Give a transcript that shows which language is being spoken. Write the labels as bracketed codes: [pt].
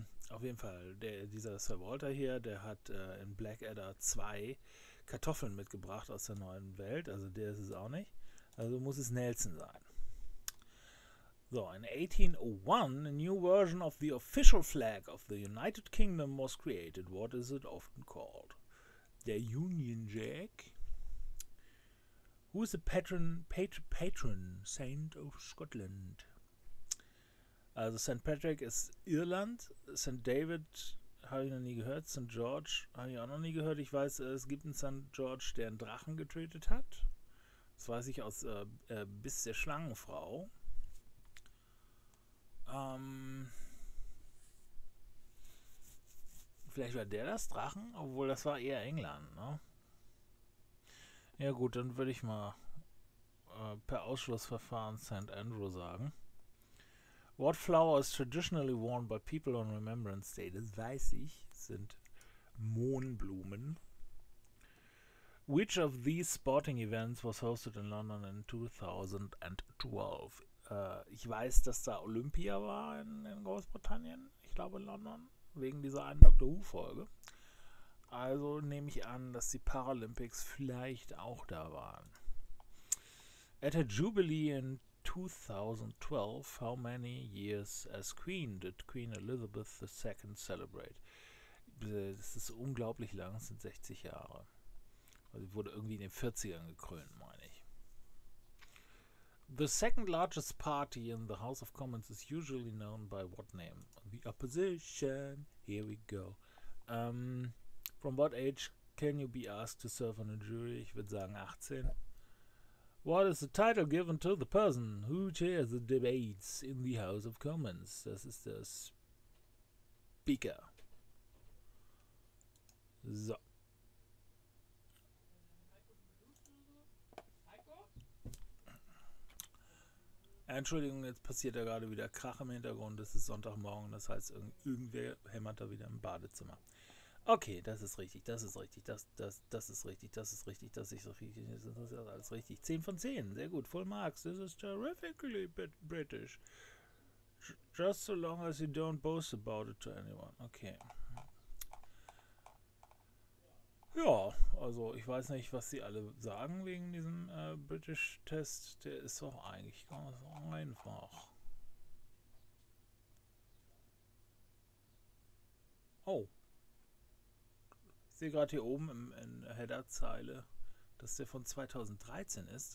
[de] Auf jeden Fall, dieser Sir Walter hier, der hat in Blackadder 2 Kartoffeln mitgebracht aus der neuen Welt, also der ist es auch nicht. Also muss es Nelson sein. [en] So, in 1801, a new version of the official flag of the United Kingdom was created. What is it often called? [de] Der Union Jack. [en] Who is the patron saint of Scotland? Also St. [de] Patrick ist Irland. St. David habe ich noch nie gehört. St. George habe ich auch noch nie gehört. Ich weiß, es gibt einen St. George, der einen Drachen getötet hat. Das weiß ich aus Biss der Schlangenfrau. Vielleicht war der das Drachen, obwohl das war eher England, ne? Ja gut, dann würde ich mal per Ausschlussverfahren St. Andrew sagen. [en] What flower is traditionally worn by people on Remembrance Day? [de] Das weiß ich, sind Mohnblumen. [en] Which of these sporting events was hosted in London in 2012? [de] Ich weiß, dass da Olympia war in Großbritannien. Ich glaube in London, wegen dieser einen Doctor Who-Folge. Also nehme ich an, dass die Paralympics vielleicht auch da waren. [en] At her Jubilee in 2012, how many years as Queen did Queen Elizabeth II celebrate? [de] Das ist unglaublich lang, das sind 60 Jahre. Also sie wurde irgendwie in den 40ern gekrönt, meine ich. [en] The second largest party in the House of Commons is usually known by what name? The Opposition. Here we go. From what age can you be asked to serve on a jury? [de] Ich würde sagen 18. [en] What is the title given to the person who chairs the debates in the House of Commons? [de] Das ist der Speaker. So. Entschuldigung, jetzt passiert da gerade wieder Krach im Hintergrund. Es ist Sonntagmorgen, das heißt, irgendwer hämmert da wieder im Badezimmer. Okay, das ist richtig, das ist richtig, das ist richtig, das ist richtig, das ist richtig, das ist alles richtig. 10 von 10, sehr gut, voll Marks. [en] This is terrifically British. Just so long as you don't boast about it to anyone. Okay. [de] Ja, also ich weiß nicht, was sie alle sagen wegen diesem British Test. Der ist doch eigentlich ganz einfach. Oh. Ich sehe gerade hier oben in Header-Zeile, dass der von 2013 ist.